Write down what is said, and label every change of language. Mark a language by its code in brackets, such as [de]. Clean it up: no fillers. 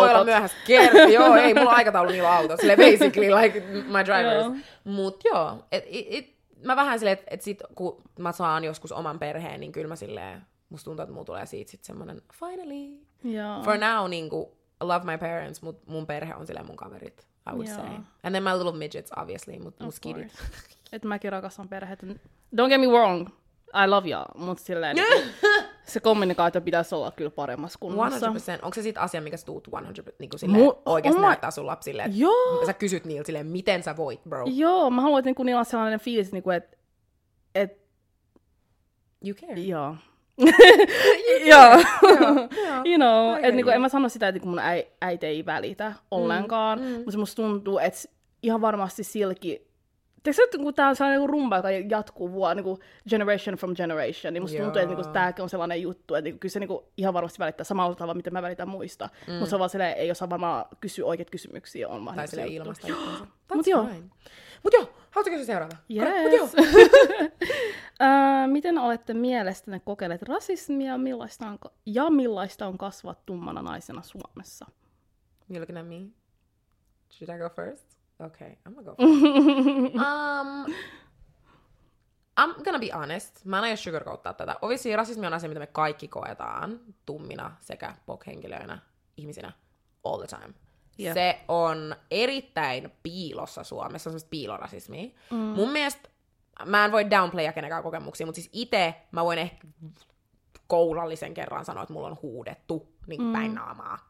[fi] Voi olla myöhässä. Kerti, joo, ei, mulla on aikataulu niillä autot. Silleen, [en] basically, like, my drivers. [fi] Joo. Mut joo, mä vähän silleen, että sit, kun mä saan joskus oman perheen, niin kyllä mä silleen, musta tuntuu, että mulla tulee siitä sit semmonen, finally. Joo. [en] For now, [fi] niinku, [en] love my parents, [fi] mut mun perhe on silleen mun kaverit. [en] I would say. And then my little midgets, obviously, [fi] mutta muskidit. Että mäkin rakastan perheet. [en] Don't get me wrong, I love y'all, [fi] mutta silleen se kommunikaatio pitäisi olla kyllä paremmassa kunnossa. 100%. Onko se sitten asia, mikä sä tuut 100%, niin kuin silleen oikeasti näyttää sun lapsille? Joo. Sä kysyt niiltä silleen, miten sä voit, bro? Joo, mä haluan, että niillä on sellainen fiilis, että [en] you care. [fi] Joo. Joo. [en] You know, [fi] että niinku en mä sano sitä, että mun äiti ei välitä ollenkaan, mutta se musta tuntuu, että ihan varmasti silki, teikö se, että tää on sellainen rumba, joka jatkuu vuonna, niinku [en] generation from generation, [fi] niin musta tuntuu, että tääkin on sellainen juttu, että kyllä se niinku ihan varmasti välittää samalla tavalla, mitä mä välitän muista, mutta se on vaan silleen, ei osaa varmaan kysyä oikeat kysymyksiä, on vaan sellainen juttu. Tai silleen ilmasta juttuja. Mut joo. Mut joo, haluatko kysyä seuraava? [en] Yes. [fi] miten olette mielestäne kokeneet rasismia ja millaista on kasvaa tummana naisena Suomessa? [en] You're looking at me? Should I go first? Okay, I'm gonna go first. I'm gonna be honest. [fi] Mä en aio sugarcoattaa tätä. Obviously rasismi on asia, mitä me kaikki koetaan tummina sekä POC-henkilöinä ihmisinä [en] all the time. Yeah. [fi] Se on erittäin piilossa Suomessa, semmoista piilorasismia. Mm. Mun mielestä, mä en voi downplaya kenenkään kokemuksia, mutta siis itse mä voin ehkä koulallisen kerran sanoa, että mulla on huudettu niin päin naamaa.